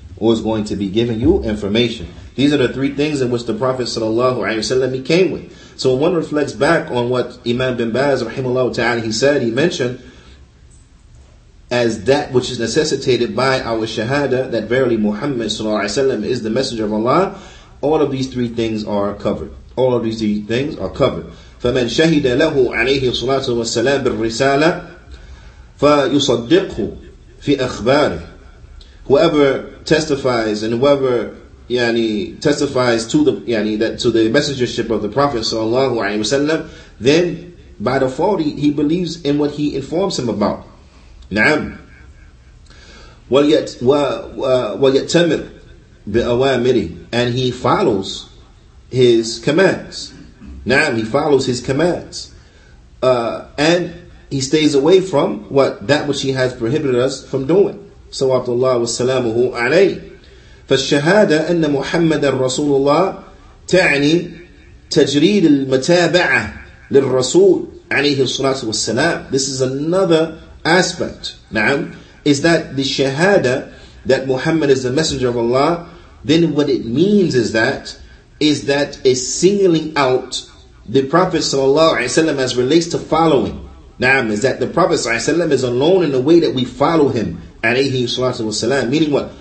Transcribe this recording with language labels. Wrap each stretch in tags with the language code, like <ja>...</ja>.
<en>These are the three things in which the Prophet sallallahu alaihi wasallam he came with. So one reflects back on what Imam bin Baz rahimahullah ta'ala, he said, he mentioned as that which is necessitated by our shahada, that verily Muhammad sallallahu alaihi wasallam is the messenger of Allah. All of these three things are covered.</en> <ar>فمن شهد له عليه الصلاة والسلام بالرسالة فيصدقه في أخباره.</ar> <en>Whoever testifies and whoever testifies to the to the messengership of the Prophet sallallahu alaihi wasallam, then by default he believes in what he informs him about.</en> <ar>نعم. وليتمر بأوامره,</ar> <en>and he follows his commands. Now he follows his commands, and he stays away from what that which he has prohibited us from doing. So Abdullah was salamuhu alayhi.</en> <ar>فالشهادة أن محمد رسول الله تعني تجريد المتابعة للرسول عليه الصلاة والسلام.</ar> <en>This is another aspect. Now is that the shahada that Muhammad is the messenger of Allah? Then what it means is that a singling out the Prophet sallallahu alaihi wasallam as relates to following. Naam, is that the Prophet sallallahu alaihi wasallam is alone in the way that we follow him, alayhi salatu wasalam. Meaning what?</en>